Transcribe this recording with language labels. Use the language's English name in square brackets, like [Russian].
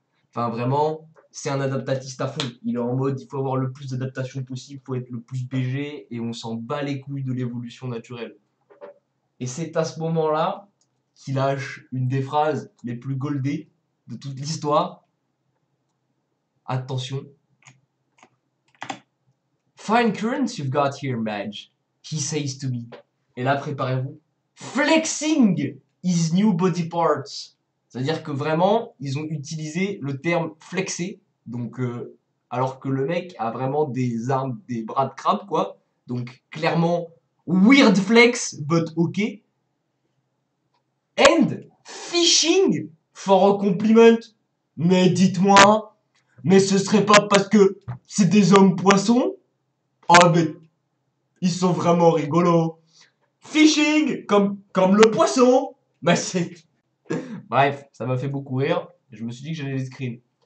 [French] Enfin, vraiment, c'est un adaptatiste à fond. Il est en mode il faut avoir le plus d'adaptation possible, faut être le plus BG, et on s'en bat les couilles de l'évolution naturelle. Et c'est à ce moment-là qu'il lâche une des phrases les plus goldées de toute l'histoire. Attention. [English] Fine currents you've got here, Madge, he says to me. [French] Et là, préparez-vous. [English] Flexing his new body parts. [French] C'est-à-dire que vraiment, ils ont utilisé le terme flexé. Donc, alors que le mec a vraiment des armes, des bras de crabe, quoi. Donc, clairement, [English] weird flex, but ok. And fishing for a compliment. [French] Mais dites-moi. Mais ce serait pas parce que c'est des hommes poissons? Ah, mais ils sont vraiment rigolos. Fishing, comme le poisson. Bah c'est. Bref, ça m'a fait beaucoup rire. Je me suis dit que j'allais les screen.